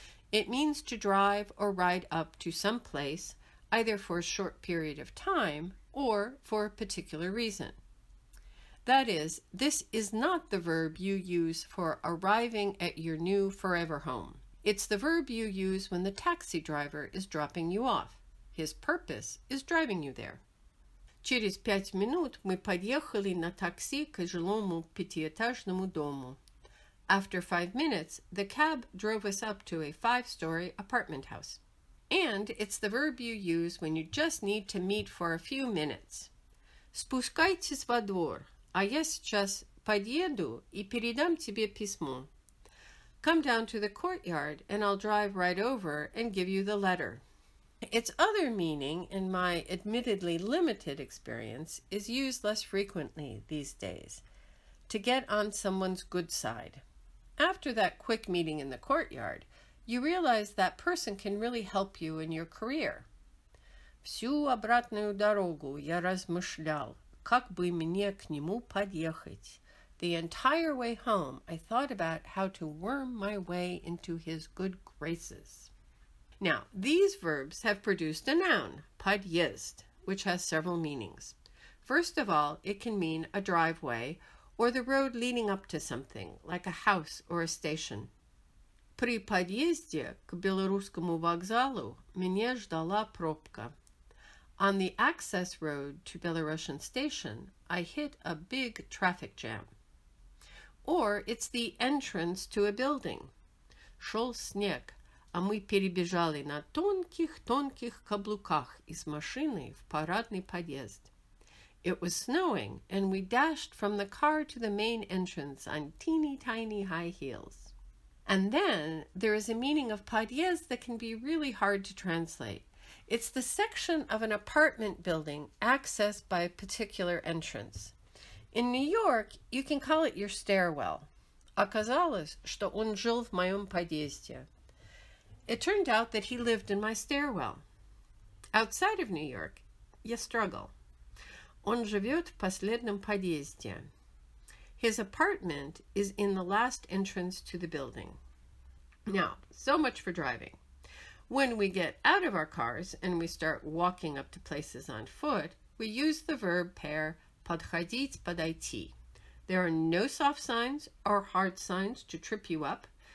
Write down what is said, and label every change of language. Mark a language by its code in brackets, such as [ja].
[en] It means to drive or ride up to some place, either for a short period of time or for a particular reason. That is, this is not the verb you use for arriving at your new forever home. It's the verb you use when the taxi driver is dropping you off. His purpose is driving you there. [ru] Через 5 минут мы подъехали на такси к жилому пятиэтажному дому. [en] After 5 minutes, the cab drove us up to a 5-story apartment house. And it's the verb you use when you just need to meet for a few minutes. [ru] Спускайтесь во двор, а я сейчас подъеду и передам тебе письмо. [en] Come down to the courtyard and I'll drive right over and give you the letter. Its other meaning, in my admittedly limited experience, is used less frequently these days. To get on someone's good side. After that quick meeting in the courtyard, you realize that person can really help you in your career. [ru] Всю обратную дорогу я размышлял, как бы мне к нему подъехать. [en] The entire way home, I thought about how to worm my way into his good graces. Now, these verbs have produced a noun, подъезд, which has several meanings. First of all, it can mean a driveway or the road leading up to something, like a house or a station. [ru] При подъезде к Белорусскому вокзалу меня ждала пробка. [en] On the access road to Belarusian station, I hit a big traffic jam. Or it's the entrance to a building. [ru] Шел снег, а мы перебежали на тонких-тонких каблуках из машины в парадный подъезд. [en] It was snowing, and we dashed from the car to the main entrance on teeny tiny high heels. And then there is a meaning of podjezd that can be really hard to translate. It's the section of an apartment building accessed by a particular entrance. In New York, you can call it your stairwell. [ru] Оказалось, что он жил в моем подъезде. [en] It turned out that he lived in my stairwell. Outside of New York, you struggle. [ru] Он живет в последнем подъезде. [en] His apartment is in the last entrance to the building. Now, so much for driving. When we get out of our cars and we start walking up to places on foot, we use the verb pair подходить, подойти, There are no soft signs or hard signs to trip you up.